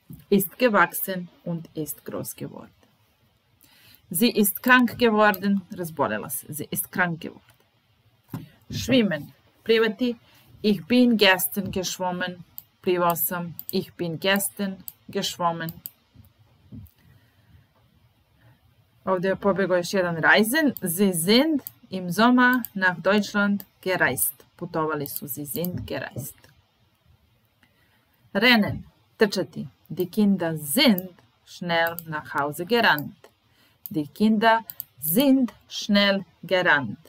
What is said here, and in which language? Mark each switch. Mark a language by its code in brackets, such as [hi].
[de] Ist gewachsen und ist groß geworden. Sie ist krank geworden. [sr] Razbolela se. [de] Sie ist krank geworden. Schwimmen, plivati. Ich bin gestern geschwommen. [sr] Plivao sam. [de] Ich bin gestern geschwommen. [sr] Ovdje je pobjegao još jedan reisen. [de] Sie sind im Sommer nach Deutschland gereist. [sr] Putovali su. [de] Sie sind gereist. Rennen, trčati. Die Kinder sind schnell nach Hause gerannt. Die Kinder sind schnell gerannt.